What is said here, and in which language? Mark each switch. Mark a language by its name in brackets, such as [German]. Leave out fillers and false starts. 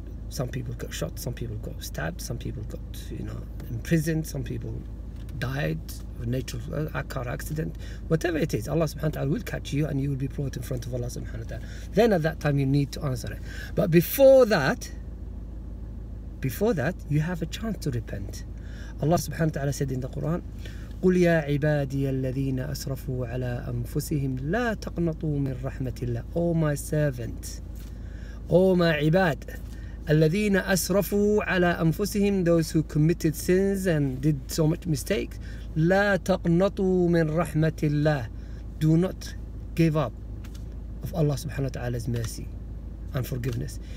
[English] Some people got shot, some people got stabbed, some people got, you know, imprisoned, some people died of natural car accident. Whatever it is, Allah subhanahu wa ta'ala will catch you and you will be brought in front of Allah subhanahu wa ta'ala. Then at that time you need to answer it. But before that, you have a chance to repent. Allah subhanahu wa ta'ala said in the Quran, [Arabic] قُلْ يَا عِبَادِيَ الَّذِينَ أَسْرَفُوا عَلَىٰ أَنفُسِهِمْ لَا تَقْنَطُوا مِنْ رَحْمَةِ اللَّهِ. [English] Oh my servant, oh my ibad, [Arabic] الَّذِينَ أَسْرَفُوا عَلَىٰ أَنفُسِهِمْ, [English] those who committed sins and did so much mistakes, [Arabic] لَا تَقْنَطُوا مِنْ رَحْمَةِ اللَّهِ, [English] do not give up of Allah subhanahu wa ta'ala's mercy and forgiveness.